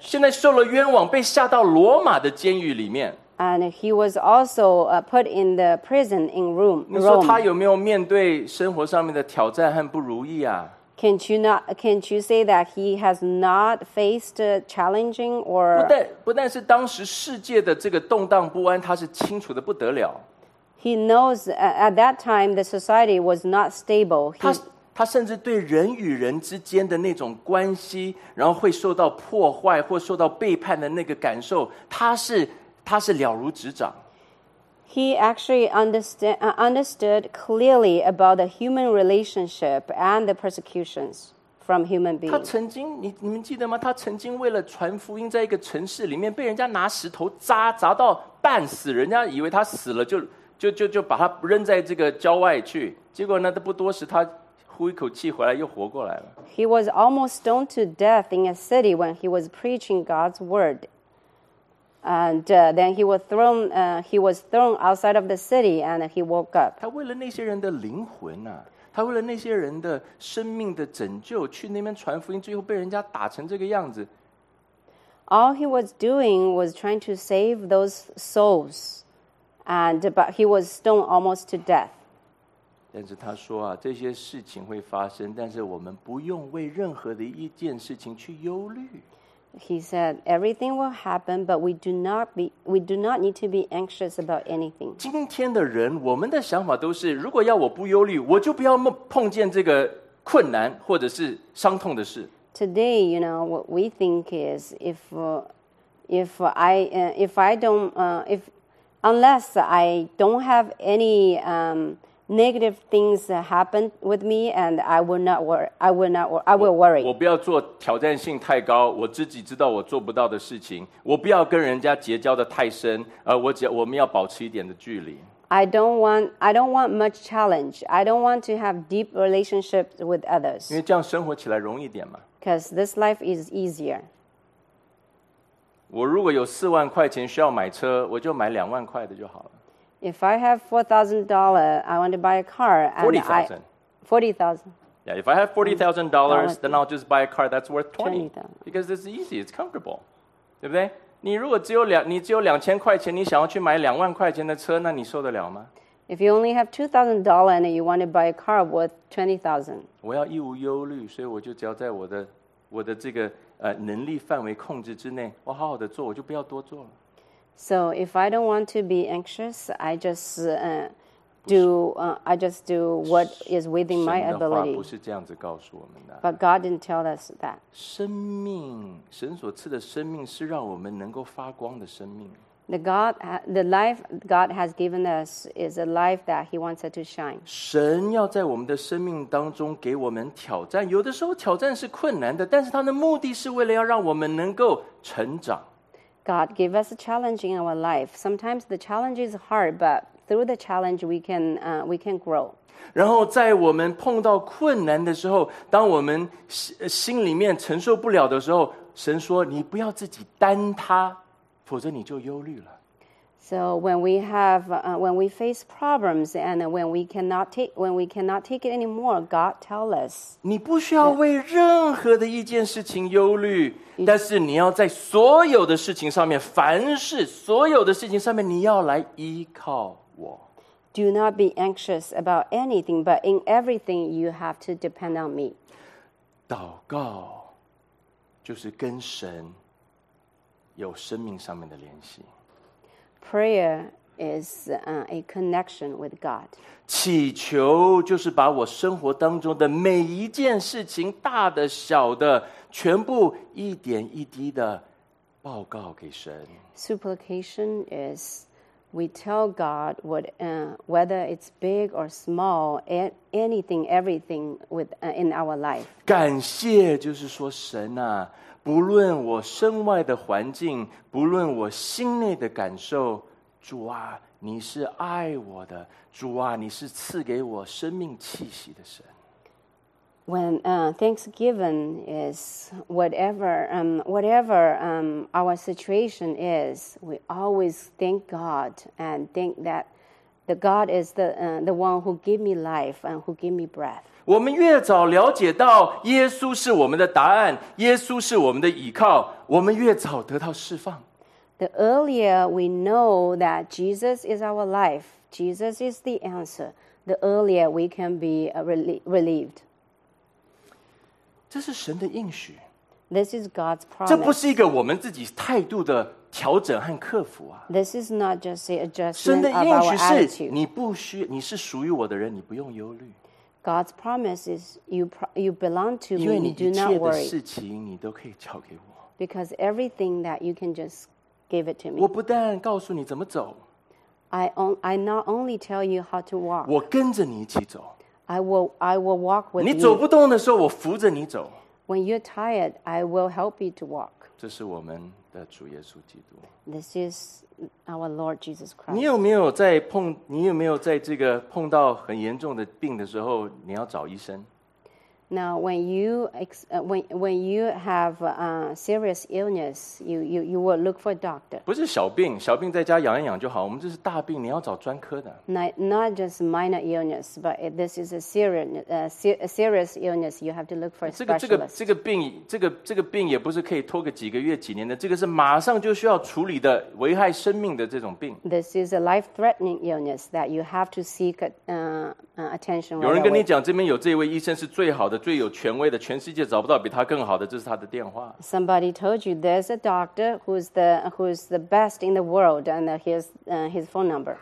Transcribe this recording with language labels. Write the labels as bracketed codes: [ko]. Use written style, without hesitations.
[zh] 现在受了冤枉，被下到罗马的监狱里面。 [en] And he was also put in the prison in Rome. [zh] 你说他有没有面对生活上面的挑战和不如意啊？ [en] Can't you say that he has not faced challenging or? [zh] 不但是当时世界的这个动荡不安，他是清楚的不得了。 [en] He knows at that time the society was not stable. He [zh] 甚至对人与人之间的那种关系，然后会受到破坏或受到背叛的那个感受，他是了如指掌。 [en] He actually understood clearly about the human relationship and the persecutions from human beings. [zh] 他曾经，你们记得吗？他曾经为了传福音，在一个城市里面被人家拿石头砸到半死，人家以为他死了就把他扔在这个郊外去，结果呢，他不多时，他呼一口气回来，又活过来了。 [en] He was almost stoned to death in a city when he was preaching God's word, and then he was thrown. He was thrown outside of the city, and he woke up. [zh] 他为了那些人的灵魂啊，他为了那些人的生命的拯救，去那边传福音，最后被人家打成这个样子。 [en] All he was doing was trying to save those souls. But he was stoned almost to death. [zh] 但是他说啊，这些事情会发生，但是我们不用为任何的一件事情去忧虑。 [en] He said everything will happen, but we do not need to be anxious about anything. [zh] 今天的人，我们的想法都是，如果要我不忧虑，我就不要碰见这个困难或者是伤痛的事。 [en] Today, you know, what we think is unless I don't have any negative things happen with me, and I will not worry. [zh] 我不要做挑战性太高，我自己知道我做不到的事情。我不要跟人家结交的太深，我们要保持一点的距离。 [en] I don't want much challenge. I don't want to have deep relationships with others. [zh] 因为这样生活起来容易点嘛。 [en] Because this life is easier. [zh] 我如果有四万块钱需要买车，我就买两万块的就好了。 [en] If I have $4,000, I want to buy a car. $40,000. Yeah, if I have $40,000, then I'll just buy a car that's worth $20,000. Because it's easy, it's comfortable. [zh] 对不对？你如果只有2000块钱，你想要去买两万块钱的车，那你受得了吗？ [en] If you only have $2,000 and you want to buy a car worth $20,000. [zh] 我要一无忧虑，所以我就只要在我的这个能力范围控制之内，我好好的做，我就不要多做了。 [en] So if I don't want to be anxious, I just do, I just do what is within my ability. [zh] 神的话不是这样子告诉我们的。 [en] But God didn't tell us that. [zh] 生命，神所赐的生命是让我们能够发光的生命。 [en] The God, the life God has given us is a life that He wants to shine. [zh] 神要在我们的生命当中给我们挑战，有的时候挑战是困难的，但是他的目的是为了要让我们能够成长。 [en] God gives us a challenge in our life. Sometimes the challenge is hard, but through the challenge we can grow. [zh] 然后在我们碰到困难的时候，当我们心里面承受不了的时候，神说你不要自己担他，否则你就忧虑了。 [en] So when we have when we face problems and when we cannot take it anymore, God tells us. [zh] 你不需要为任何的一件事情忧虑，但是你要在所有的事情上面，凡事所有的事情上面，你要来依靠我。 [en] Do not be anxious about anything, but in everything you have to depend on me. [zh] 祷告就是跟神有生命上面的联系。 [en] Prayer is a connection with God. [zh] 祈求就是把我生活当中的每一件事情，大的小的，全部一点一滴的报告给神。 [en] Supplication is we tell God what, whether it's big or small, anything, everything with in our life. [zh] 感谢就是说神啊，不论我身外的环境，不论我心内的感受，主啊，你是爱我的，主啊，你是赐给我生命气息的神。 [en] When thanksgiving is whatever our situation is, we always thank God and think that the God is the one who gave me life and who gave me breath. [zh] 我们越早了解到耶稣是我们的答案，耶稣是我们的依靠，我们越早得到释放。 [en] The earlier we know that Jesus is our life, Jesus is the answer, the earlier we can be relieved. [zh] 这是神的应许。 [en] This is God's promise. [zh] 这不是一个我们自己态度的调整和克服啊。 [en] This is not just the adjustment. [zh] 神的应许是你不需，你是属于我的人，你不用忧虑。 [en] God's promise is you belong to me, you do not worry. [zh] 因为你一切的事情你都可以交给我。 [en] Because everything that you can just give it to me. [zh] 我不但告诉你怎么走。 [en] I not only tell you how to walk. [zh] 我跟着你一起走。 [en] I will walk with you. [zh] 你走不动的时候，我扶着你走。 [en] When you're tired, I will help you to walk. [zh] 这是我们的主耶稣基督。 [en] This is our Lord Jesus Christ. [zh] 你有没有在这个碰到很严重的病的时候，你要找医生？ [en] Now, when you have serious illness, you will look for a doctor. [zh] 不是小病，小病在家养一养就好。我们这是大病，你要找专科的。 [en] Not just minor illness, but this is a serious illness. You have to look for a specialist. [zh] 这个病也不是可以拖个几个月、几年的。这个是马上就需要处理的，危害生命的这种病。 [en] This is a life-threatening illness that you have to seek attention. [zh] 有人跟你讲，这边有这位医生是最好的、最有权威的，全世界找不到比他更好的，这是他的电话。 [en] Somebody told you there's a doctor who's the best in the world and his phone number.